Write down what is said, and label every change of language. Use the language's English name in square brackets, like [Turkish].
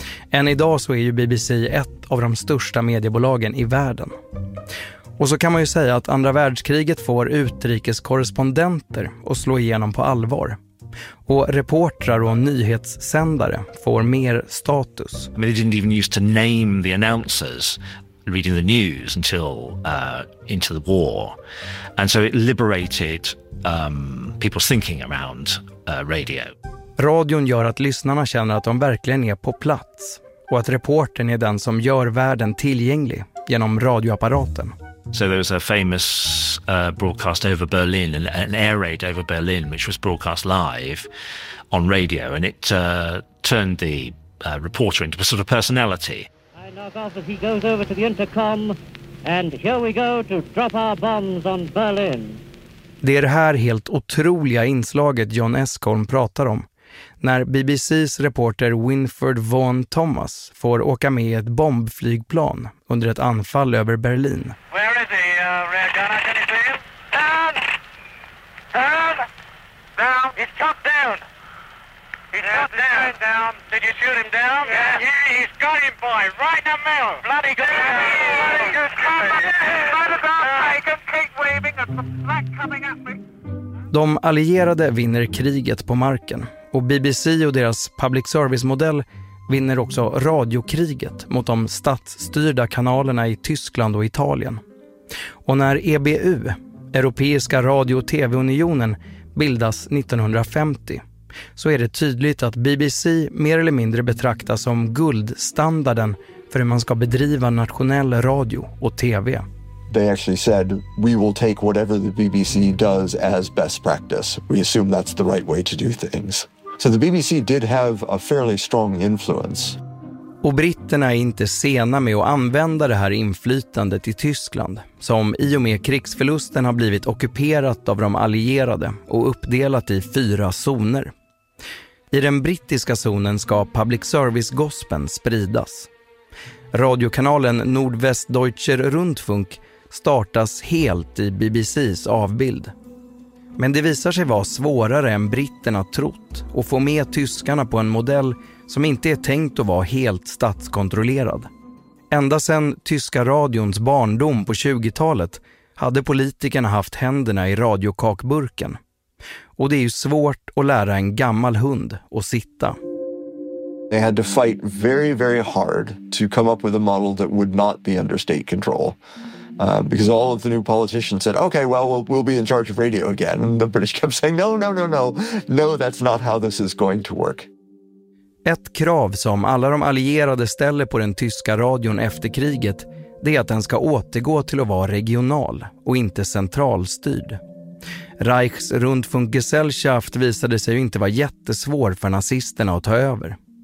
[Swedish] Än idag så är ju BBC ett av de största mediebolagen i världen. Och så kan man ju säga att andra världskriget får utrikeskorrespondenter att slå igenom på allvar. Och reportrar och nyhetssändare får mer status. [English] I mean, they didn't even used to name the announcers reading the news until into the war. And so it liberated people's thinking around radio. [Swedish] Radion gör att lyssnarna känner att de verkligen är på plats och att reportern är den som gör världen tillgänglig genom radioapparaten. [English] So there was a famous broadcast over Berlin, an air raid over Berlin, which was broadcast live on radio, and it turned the reporter into a sort of personality. I knock off as he goes over to the intercom, and here we go to drop our bombs on Berlin. [Swedish] Det är det här helt otroliga inslaget John Eskholm pratar om, när BBC:s reporter Winfred Vaughan Thomas får åka med ett bombflygplan under ett anfall över Berlin. [English] Where is he, rear gunner? Can you see him? Down! Down! Down! He's shot down! He's shot down. Down! Did you shoot him down? Yeah. Yeah, he's got him, boy! Right in the middle! Bloody good! There he is! Bloody good! Come on! Right about Reagan! Keep waving! There's some black coming at me! [Swedish] De allierade vinner kriget på marken. Och BBC och deras public service-modell vinner också radiokriget mot de statsstyrda kanalerna i Tyskland och Italien. Och när EBU, Europeiska Radio- och TV-unionen, bildas 1950 så är det tydligt att BBC mer eller mindre betraktas som guldstandarden för hur man ska bedriva nationell radio och TV. [English] They actually said we will take whatever the BBC does as best practice. We assume that's the right way to do things. So the BBC did have a fairly strong influence. [Swedish] Och britterna är inte sena med att använda det här inflytandet i Tyskland, som i och med krigsförlusten har blivit ockuperat av de allierade och uppdelat i fyra zoner. I den brittiska zonen ska public service-gospeln spridas. Radiokanalen Nordwestdeutscher Rundfunk startas helt i BBCs avbild. Men det visar sig vara svårare än britterna trott att få med tyskarna på en modell som inte är tänkt att vara helt statskontrollerad. Ända sedan tyska radions barndom på 20-talet hade politikerna haft händerna i radiokakburken. Och det är ju svårt att lära en gammal hund att sitta. [English] They had to fight very, very hard to come up with a model that would not be under state control. Because all of the new politicians said, okay, well, we'll be in charge of radio again. And the British kept saying, no, that's not how this is going to work. [Swedish] Ett krav som alla de allierade ställer på den tyska radion efter kriget, det är att den ska återgå till att vara regional och inte centralstyrd. Reichs Rundfunkgesellschaft visade sig ju inte vara jättesvår för nazisterna att ta över.